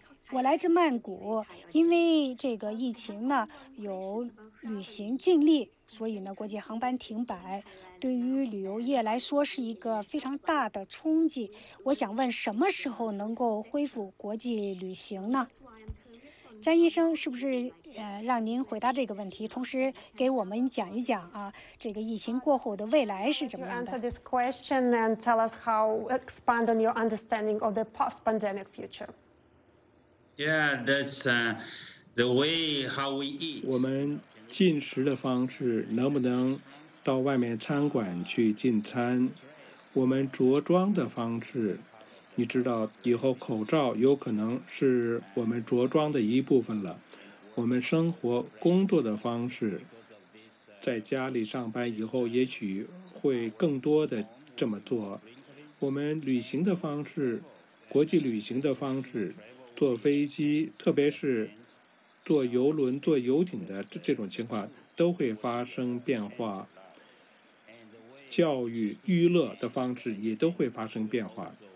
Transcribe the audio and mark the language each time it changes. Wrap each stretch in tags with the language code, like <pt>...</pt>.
<zh>我来自曼谷，因为这个疫情呢有旅行禁令，所以呢国际航班停摆，对于旅游业来说是一个非常大的冲击。我想问，什么时候能够恢复国际旅行呢？詹医生，是不是让您回答这个问题，同时给我们讲一讲啊，这个疫情过后的未来是怎么样的</zh> <en>？Answer this question and tell us how expand on your understanding of the post-pandemic future. Yeah, that's the way how we eat.</en> <zh>我们进食的方式能不能到外面餐馆去进餐？我们着装的方式？你知道以后口罩有可能是我们着装的一部分了，我们生活工作的方式，在家里上班以后也许会更多的这么做，我们旅行的方式，国际旅行的方式，坐飞机，特别是坐游轮、坐游艇的这种情况都会发生变化，教育、娱乐的方式也都会发生变化。</zh>